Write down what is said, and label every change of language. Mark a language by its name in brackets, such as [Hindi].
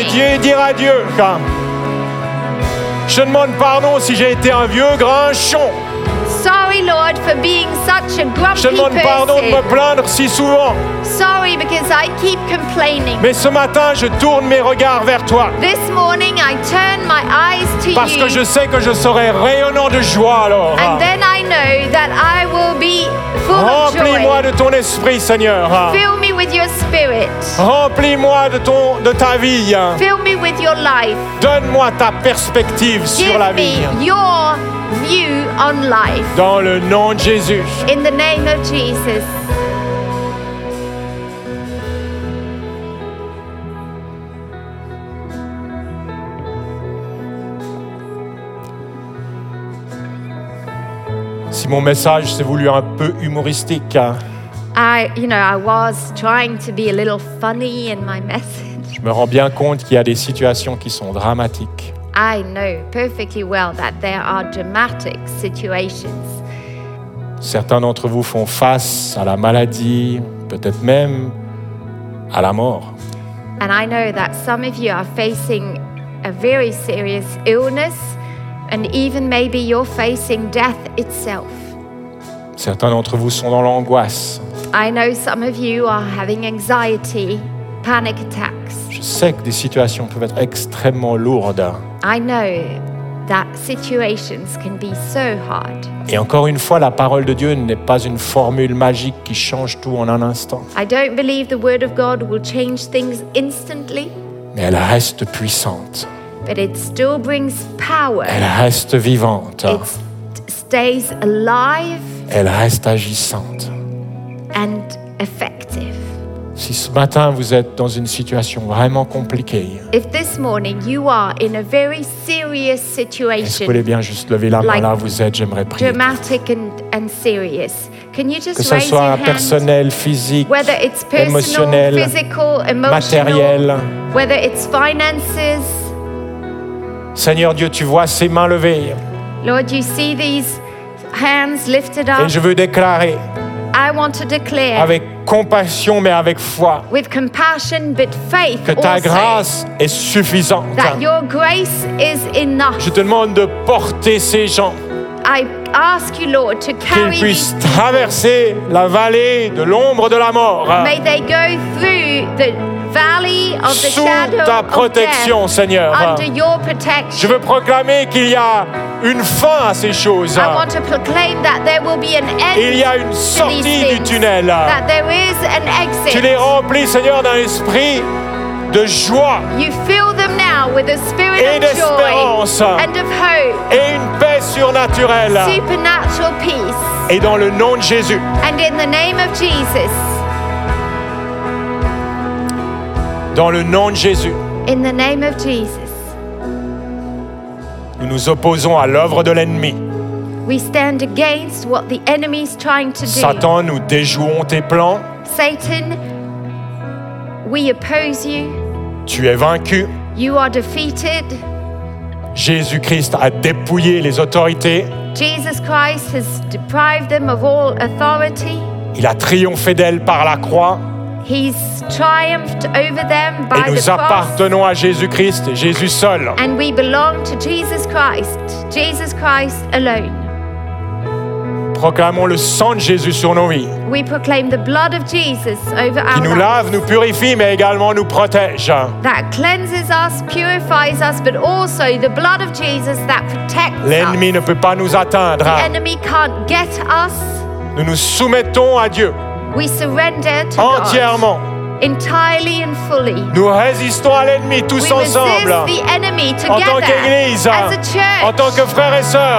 [French] Et Dieu dira à Dieu quand je demande pardon si j'ai été un vieux grinchon. [English] Sorry, Lord, for being such a grumpy person. [French] Je demande pardon de me plaindre si souvent. [English] Sorry, because I keep complaining. [French] Mais ce matin, je tourne mes regards vers toi. [English] This morning, I turn my eyes to you. [French] Parce que je sais que je serai rayonnant de joie alors. [English] And then I know that I will be full of joy. [French] Remplis-moi de ton esprit, Seigneur. [English] Fill me with your spirit. [French] Remplis-moi de ta vie. [English] Fill me with your life. [French] Donne-moi ta perspective [English] give [French] sur la vie. [English] Give me your view on life. [French] Dans le nom de Jésus. [English] In the name of Jesus. [French] Si mon message s'est voulu un peu humoristique. [English] I was trying to be a little funny in my message. [French] Je me rends bien compte qu'il y a des situations qui sont dramatiques. [English] I know perfectly well that there are dramatic situations. [French] Certains d'entre vous font face à la maladie, peut-être même à la mort. [English] And I know that some of you are facing a very serious illness. And even maybe you're facing death itself. [French] Certains d'entre vous sont dans l'angoisse. [English] I know some of you are having anxiety, panic attacks. [French] Je sais que des situations peuvent être extrêmement lourdes. [English] I know that situations can be so hard. [French] Et encore une fois, la parole de Dieu n'est pas une formule magique qui change tout en un instant. [English] I don't believe the word of God will change things instantly. [French] Mais elle reste puissante. [English] But it still brings power. [French] Elle reste vivante. [English] It stays alive. [French] Elle reste agissante. [English] And effective. [French] Si ce matin vous êtes dans une situation vraiment compliquée, [English] if this morning you are in a very serious situation, [French] est-ce que vous voulez bien juste lever la main là où vous êtes, j'aimerais prier. [English] Dramatic and serious. Can you just [French] que ce soit personnel, physique, [English] whether it's personal, [French] émotionnel, [English] physical, emotional, [French] matériel, [English] whether it's finances. [French] Seigneur Dieu, tu vois ces mains levées. [English] Lord, you see these hands lifted up. [French] Et je veux déclarer. [English] I want to declare. [French] Avec compassion, mais avec foi. [English] With compassion, but faith. [French] Que ta [English] also, [French] grâce est suffisante. [English] That your grace is enough. [French] Je te demande de porter ces gens. [English] I ask you, Lord, to carry. [French] Qu'ils puissent traverser la vallée de l'ombre de la mort. [English] May they go through the valley of the shadow of death. [French] Sous ta protection, Seigneur. [English] Under your protection. [French] Je veux proclamer qu'il y a une fin à ces choses. [English] I want to proclaim that there will be an end. [French] Il y a une sortie du tunnel. [English] That there is an exit. [French] Tu les remplis, Seigneur, d'un esprit de joie. [English] You fill them now with a spirit [French] et d'espérance. [English] Of joy and of hope. [French] Et une paix surnaturelle. [English] Supernatural peace. [French] Et dans le nom de Jésus. [English] And in the name of Jesus. [French] Dans le nom de Jésus. [English] In the name of Jesus. [French] Nous nous opposons à l'œuvre de l'ennemi. [English] We stand against what the enemy is trying to do. [French] Satan, nous déjouons tes plans. [English] Satan, we oppose you. [French] Tu es vaincu. [English] You are defeated. [French] Jésus-Christ a dépouillé les autorités. [English] Jesus Christ has deprived them of all authority. [French] Il a triomphé d'elles par la croix. [English] He's triumphed over them by the cross. [French] Et nous appartenons à Jésus-Christ, Jésus seul. [English] And we belong to Jesus Christ alone. [French] Proclamons le sang de Jésus sur nos vies. [English] We proclaim the blood of Jesus over our lives. [French] Qui nous lave, nous purifie, mais également nous protège. [English] That cleanses us, purifies us, but also the blood of Jesus that protects us. [French] L'ennemi ne peut pas nous atteindre. [English] The enemy can't get us. [French] Nous nous soumettons à Dieu. [English] We surrender to [French] entièrement. [English] God entirely and fully. [French] Nous résistons à l'ennemi tous [English] we [French] ensemble. [English] Resist the enemy together, [French] en tant qu'église, [English] as a church, [French] en tant que frères et sœurs,